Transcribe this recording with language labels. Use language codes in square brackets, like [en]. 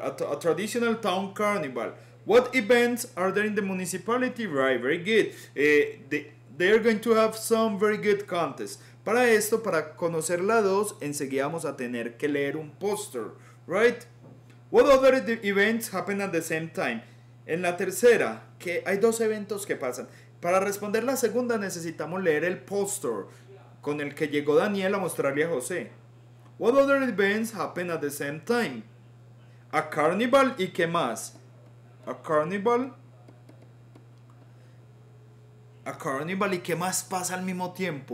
[en] A traditional town carnival. What events are there in the municipality? Right. Very good. They are going to have some very good contests. [es] Para esto, para conocer la 2, enseguida vamos a tener que leer un póster, [en] right? What other events happen at the same time? [es] En la tercera, que hay dos eventos que pasan. Para responder la segunda, necesitamos leer el póster con el que llegó Daniel a mostrarle a José. [en] What other events happen at the same time? [es] A carnival y qué más? A carnival y qué más pasa al mismo tiempo?